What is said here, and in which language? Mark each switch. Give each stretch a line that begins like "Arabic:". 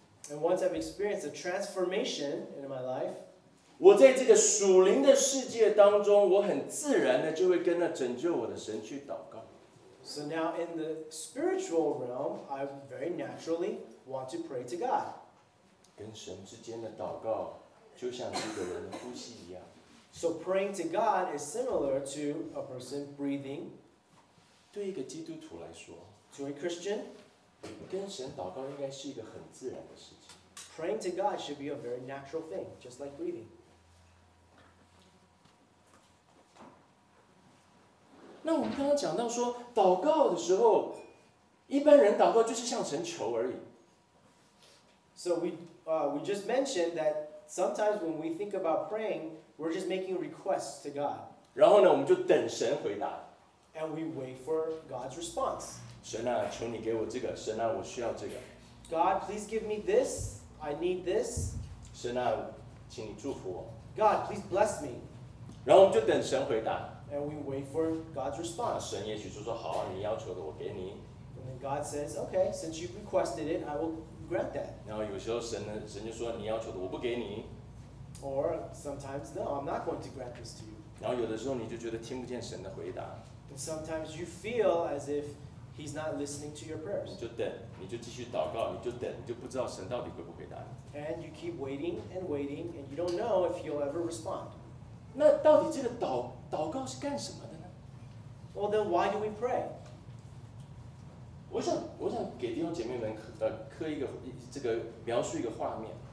English: And once I've experienced a transformation in my life,
Chinese: 我在这个属灵的世界当中，我很自然的就会跟那拯救我的神去祷告。
English: So now in the spiritual realm, I very naturally want to pray to God.
Chinese: 跟神之间的祷告就像一个人呼吸一样。
English: So praying to God is similar to a person breathing.
Chinese: 对一个基督徒来说
English: ，to a Christian.
Chinese: 跟神祷告应该是一个很自然的事情。
English: Praying to God should be a very natural thing, just like breathing.
Chinese: 那我们刚刚讲到说，祷告的时候，一般人祷告就是向神求而已。
English: So we just mentioned that sometimes when we think about praying, we're just making requests to God.
Chinese: 然后呢，我们就等神回答。
English: And we wait for God's response.
Chinese: 神啊，求你给我这个。神啊，我需要这个。
English: God, please give me this. I need this.
Chinese: 神啊，请你祝福我。
English: God, please bless me.
Chinese: 然后我们就等神回答。
English: And we wait for God's response.
Chinese: 神也许就说好啊，你要求的我给你。
English: And then God says, okay, since you requested it, I will grant that.
Chinese: 然后有时候神呢，神就说你要求的我不给你。
English: Or sometimes, no, I'm not going to grant this to you.
Chinese: 然后有的时候你就觉得听不见神的回答。
English: And sometimes you feel as if. He's not listening to your prayers.
Chinese: 你就等，你就继续祷告，你就等，你就不知道神到底会不回答你。
English: And you keep waiting and waiting, and you don't know if he'll ever respond.
Chinese: 那到底这个祷告是干什么的呢？
English: Well, then why do we pray?
Chinese: 我想给弟兄姐妹们刻一个这个描述一个画面。